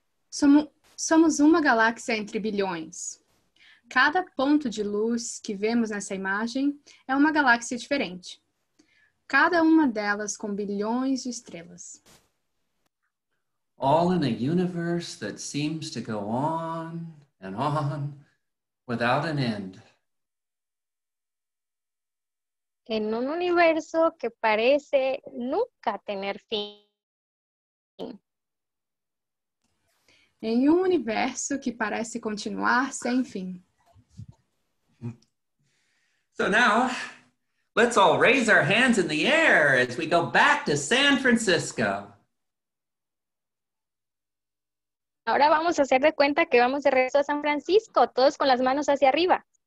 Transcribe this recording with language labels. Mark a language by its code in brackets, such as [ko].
[es] Somos una galaxia entre billones. Cada punto de luz que vemos nessa imagen es una galaxia diferente. Cada una de ellas con billones de estrellas. [en] All in a universe that seems to go on and on without an end. [es] En un universo que parece nunca tener fin. En un universo que parece continuar sin fin. [en] So now, let's all raise our hands in the air as we go back to San Francisco. [es] Ahora vamos a hacer de cuenta que vamos de regreso a San Francisco, todos con las manos hacia arriba.